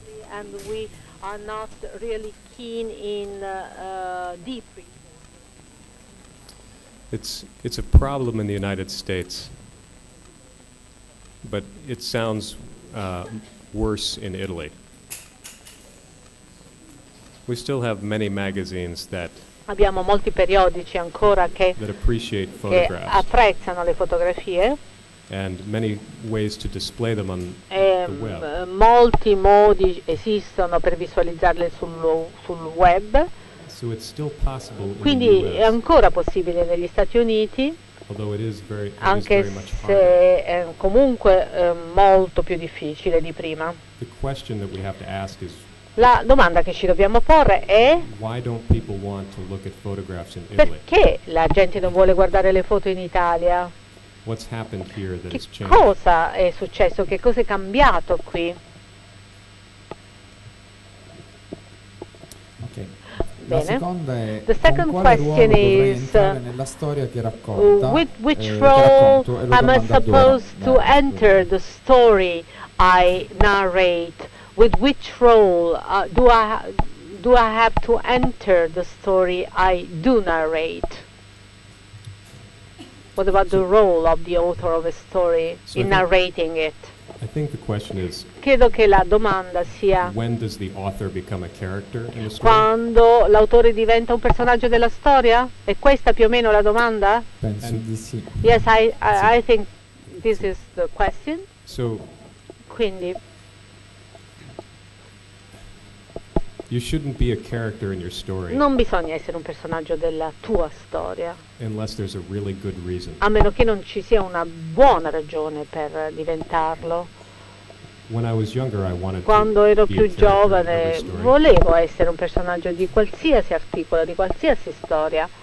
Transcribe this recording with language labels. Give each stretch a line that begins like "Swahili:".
English: And we are not really keen in deep. It's a problem in the United States, but it sounds worse in Italy. We still have many magazines that
Italian: abbiamo molti periodici ancora che apprezzano le fotografie.
English: and many ways to display them on the web.
Italian: Molti modi esistono per visualizzarle sul web.
English: So it's still possible.
Italian: Quindi
English: in the US,
Italian: è ancora possibile negli Stati Uniti.
English: Although it is very,
Italian: anche
English: it is very
Italian: se
English: much
Italian: è comunque molto più difficile di prima.
English: The question that we have to ask is,
Italian: la domanda che ci dobbiamo porre è:
English: why don't people want to look at photographs in Italy?
Italian: Perché la gente non vuole guardare le foto in Italia?
English: What's happened here that
Italian: che
English: has changed?
Italian: Cosa è successo? Che cosa è cambiato qui?
English: Okay.
Italian: Bene. La seconda è:
English: the second
Italian: con quale
English: question
Italian: ruolo
English: is,
Italian: dovrei entrare nella storia che racconta?
English: With which role am I supposed to enter the story I narrate? With which role do I have to enter the story I do narrate? What about the role of the author of a story in narrating it? I think the question is,
Italian: credo che la domanda sia,
English: when does the author become a character in a story?
Italian: Quando l'autore diventa un personaggio della storia? È questa più o meno la domanda? Penso di sì.
English: Yes, I think this is the question. So,
Italian: quindi,
English: you shouldn't be a character in your story.
Italian: Non bisogna essere un personaggio della tua storia.
English: Unless there's a really good reason.
Italian: A meno che non ci sia una buona ragione per diventarlo.
English: When I was younger, I wanted to.
Italian: Quando ero più giovane, volevo essere un personaggio di qualsiasi articolo, di qualsiasi storia.